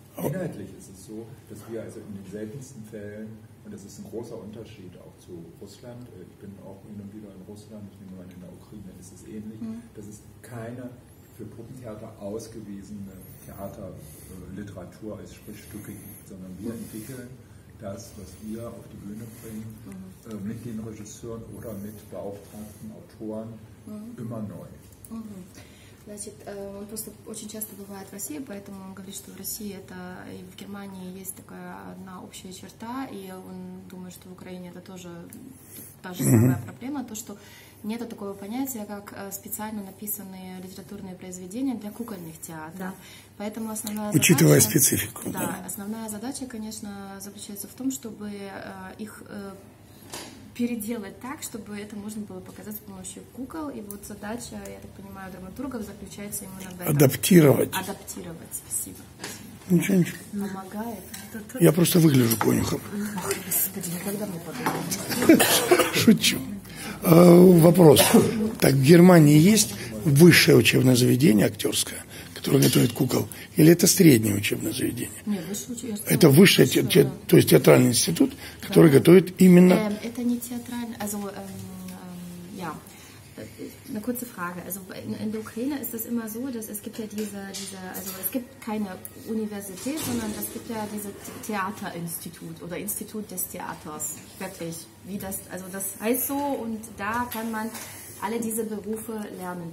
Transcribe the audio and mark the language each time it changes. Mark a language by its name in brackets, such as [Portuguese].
[German] Inhaltlich ist es so, dass wir also in den seltensten Fällen, und das ist ein großer Unterschied auch zu Russland, ich bin auch hin und wieder in Russland, ich nehme an, in der Ukraine ist es ähnlich, dass es keine für Puppentheater ausgewiesene Theaterliteratur als Sprichstücke gibt, sondern wir entwickeln das, was wir auf die Bühne bringen, mit den Regisseuren oder mit beauftragten Autoren immer neu. [Russian] Значит, он просто очень часто бывает в России, поэтому он говорит, что в России это и в Германии есть такая одна общая черта, и он думает, что в Украине это тоже та же самая проблема, то, что нет такого понятия, как специально написанные литературные произведения для кукольных театров. Да. Поэтому основная задача, учитывая специфику. Да, основная задача, конечно, заключается в том, чтобы их переделать так, чтобы это можно было показать с помощью кукол. И вот задача, я так понимаю, драматургов заключается именно в этом. Адаптировать. Адаптировать. Спасибо. Ничего, ничего. Помогает. Я просто выгляжу конюхом. Господи, никогда мы подумаем. Шучу. Вопрос. Так, в Германии есть высшее учебное заведение актерское, который готовит кукол, или это среднее учебное заведение? Нет, высшее учебное. Это высшее, то есть театральный институт, который готовит именно... Это не театральный, [German] also, ja, eine kurze Frage. Also, in der Ukraine ist das immer so, dass es gibt ja diese, also es gibt keine Universität, sondern es gibt ja dieses Theaterinstitut oder Institut des Theaters, wirklich, wie das, also das heißt so, und da kann man alle diese Berufe lernen.